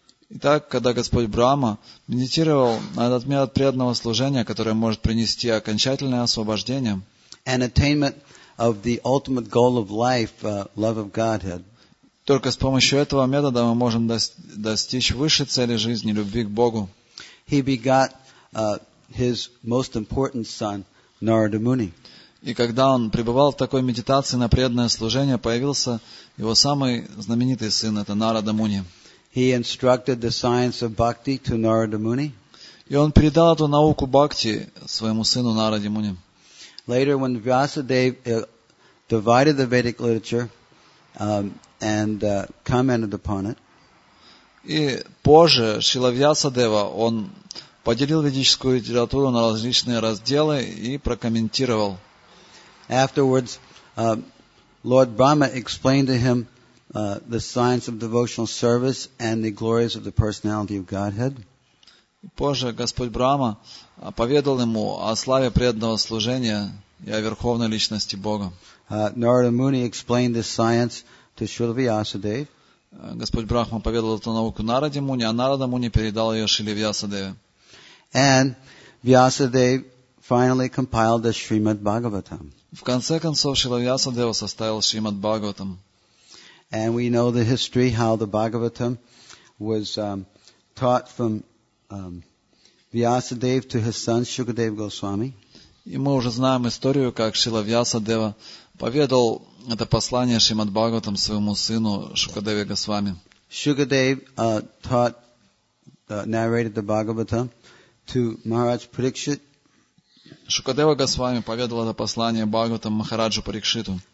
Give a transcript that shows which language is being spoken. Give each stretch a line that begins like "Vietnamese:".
Russian: Итак, когда Господь Брахма медитировал на этот метод преданного служения, который может принести окончательное освобождение,
English: and attainment of the ultimate goal of life, love of Godhead.
Russian: Только с помощью этого метода мы можем достичь высшей цели жизни, любви к Богу.
English: He begot his most important son, Narada Muni.
Russian: И когда он пребывал в такой медитации на преданное служение, появился его самый знаменитый сын, это Нарада Муни.
English: He instructed the science of bhakti to Narada Muni.
Russian: И он передал эту науку бхакти своему сыну Нараде Муни.
English: Later, when Vyasadeva divided the Vedic literature and commented upon it.
Russian: И позже Шрила Вьясадева, он поделил ведическую литературу на различные разделы и прокомментировал.
English: Afterwards, Lord Brahma explained to him the science of devotional service and the glories of the personality of Godhead.
Russian: Позже Господь Брахма поведал ему о славе преданного служения и о верховной личности Бога.
English: Narada Muni explained this science to Śrīla Vyāsadeva.
Russian: Господь Брахма поведал эту науку Нараде Муни, а Нарада Муни передал ее Шриле Вьясадеве.
English: And Vyāsadeva finally compiled the Śrīmad Bhāgavatam.
Russian: В конце концов, Шрила Вьясадева составил Шримад Бхагаватам.
English: And we know the history, how the Bhagavatam was taught from Vyasadeva to his son Shukadeva Goswami.
Russian: И мы уже знаем историю, как Шрила Вьясадева поведал это послание Шримад Бхагаватам своему сыну Шукадеве Госвами.
English: Shukadeva narrated the Bhagavatam to Maharaj Parikshit.
Russian: Шукадева Госвами поведал это послание Бхагаватам Махараджу Парикшиту.